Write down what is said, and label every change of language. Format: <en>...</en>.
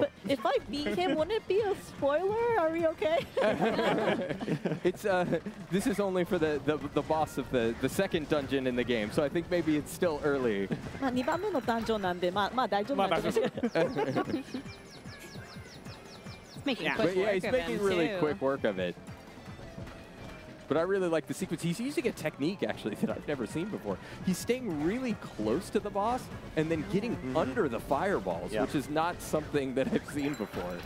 <en>But if I beat him, wouldn't it be a spoiler? Are we okay? It's this is only for the boss of the second dungeon in the game, so I think maybe it's still early.</en> <ja>まあ二番目のダンジョンなんで、まあ大丈夫なんですけど。</ja> <en>Making quick work of it. Yeah, he's making really quick work of it. But I really like the sequence. He's using a technique, actually, that I've never seen before. He's staying really close to the boss and then getting under the fireballs, which is not something that I've seen before.</en>